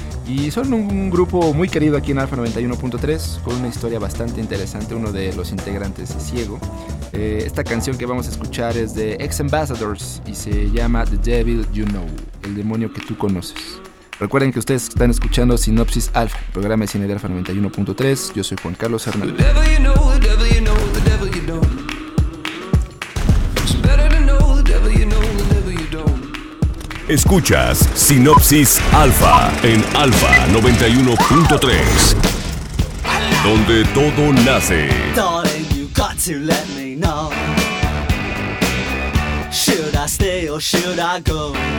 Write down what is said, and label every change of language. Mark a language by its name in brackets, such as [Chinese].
[Spanish] Y son un grupo muy querido aquí en Alfa 91.3, con una historia bastante interesante. Uno de los integrantes es ciego. Esta canción que vamos a escuchar es de Ex-Ambassadors y se llama The Devil You Know, el demonio que tú conoces. Recuerden que ustedes están escuchando Sinopsis Alfa, programa de cine de Alfa 91.3. Yo soy Juan Carlos Hernández. [English] The devil you know, the devil you know, the devil you know. [Spanish] Escuchas Sinopsis Alfa en Alfa 91.3, donde todo nace. [English] Darling, you got to let me know. Should I stay or should I go?